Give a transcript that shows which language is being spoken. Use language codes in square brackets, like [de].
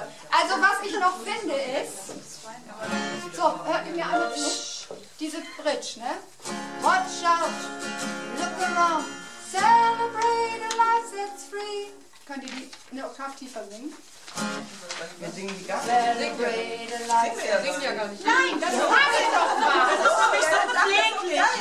[de] Also was ich noch finde ist, so, hört ihr mir alle zu, diese Bridge, ne? [en] Watch out, look around, celebrate the life that's free. [de] Könnt ihr die eine Oktave tiefer singen? Wir singen die ganze Zeit. Wir singen ja gar nicht. Nein, das mache ich doch mal. Versuch mich doch zu reden.